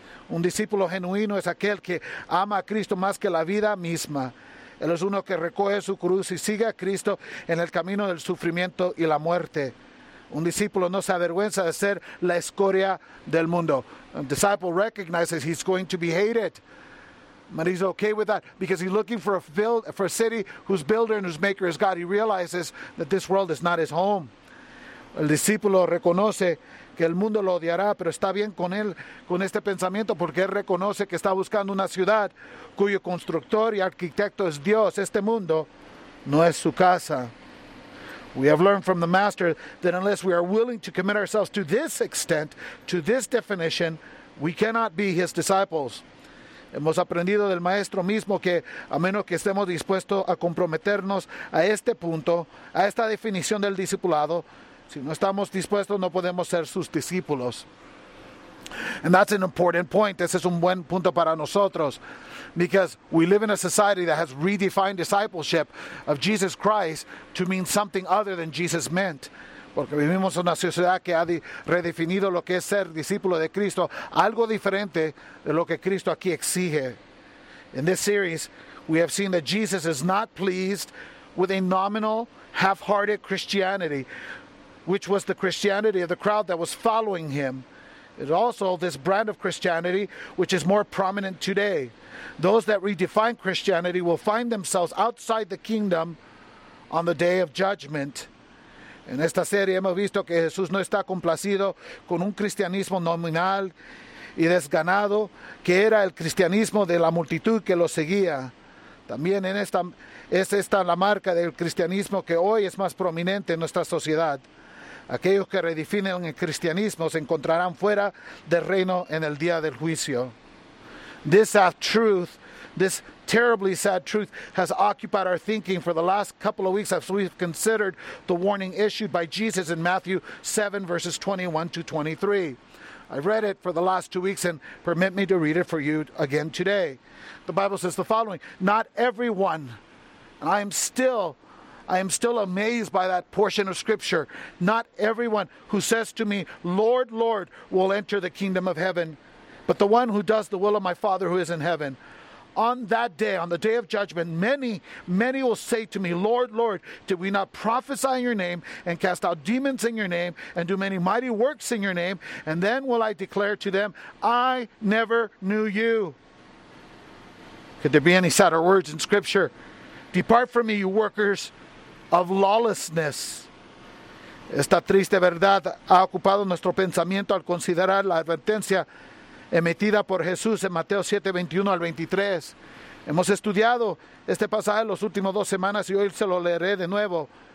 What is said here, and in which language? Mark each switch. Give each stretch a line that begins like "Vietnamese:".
Spanish: Un discípulo genuino es aquel que ama a Cristo más que la vida misma. Él es uno que recoge su cruz y sigue a Cristo en el camino del sufrimiento y la muerte. Un discípulo no se avergüenza de ser la escoria del mundo.
English: A disciple recognizes he's going to be hated. But he's okay with that because he's looking for a city whose builder and whose maker is God. He realizes that this world is not his home.
Spanish: El discípulo reconoce que el mundo lo odiará, pero está bien con él, con este pensamiento, porque él reconoce que está buscando una ciudad cuyo constructor y arquitecto es Dios. Este mundo no es su casa.
English: We have learned from the Master that unless we are willing to commit ourselves to this extent, to this definition, we cannot be his disciples.
Spanish: Hemos aprendido del Maestro mismo que, a menos que estemos dispuestos a comprometernos a este punto, a esta definición del discipulado, si no estamos dispuestos, no podemos ser sus discípulos.
English: And that's an important point.
Spanish: Ese es un buen punto para nosotros.
English: Because we live in a society that has redefined discipleship of Jesus Christ to mean something other than Jesus meant.
Spanish: Porque vivimos en una sociedad que ha redefinido lo que es ser discípulo de Cristo, algo diferente de lo que Cristo aquí exige.
English: In this series, we have seen that Jesus is not pleased with a nominal, half-hearted Christianity, which was the Christianity of the crowd that was following him. It's also this brand of Christianity which is more prominent today. Those that redefine Christianity will find themselves outside the kingdom on the day of judgment.
Spanish: En esta serie hemos visto que Jesús no está complacido con un cristianismo nominal y desganado, que era el cristianismo de la multitud que lo seguía. También en esta es esta la marca del cristianismo que hoy es más prominente en nuestra sociedad. Aquellos que redefinen el cristianismo se encontrarán fuera del reino en el día del juicio.
English: This sad truth, this terribly sad truth, has occupied our thinking for the last couple of weeks as we've considered the warning issued by Jesus in Matthew 7, verses 21 to 23. I've read it for the last 2 weeks, and permit me to read it for you again today. The Bible says the following: not everyone, and I am still amazed by that portion of scripture. Not everyone who says to me, Lord, Lord, will enter the kingdom of heaven, but the one who does the will of my Father who is in heaven. On that day, on the day of judgment, many, many will say to me, Lord, Lord, did we not prophesy in your name and cast out demons in your name and do many mighty works in your name? And then will I declare to them, I never knew you. Could there be any sadder words in scripture? Depart from me, you workers of lawlessness.
Spanish: Esta triste verdad ha ocupado nuestro pensamiento al considerar la advertencia emitida por Jesús en Mateo 7, 21 al 23. Hemos estudiado este pasaje las últimas 2 semanas y hoy se lo leeré de nuevo.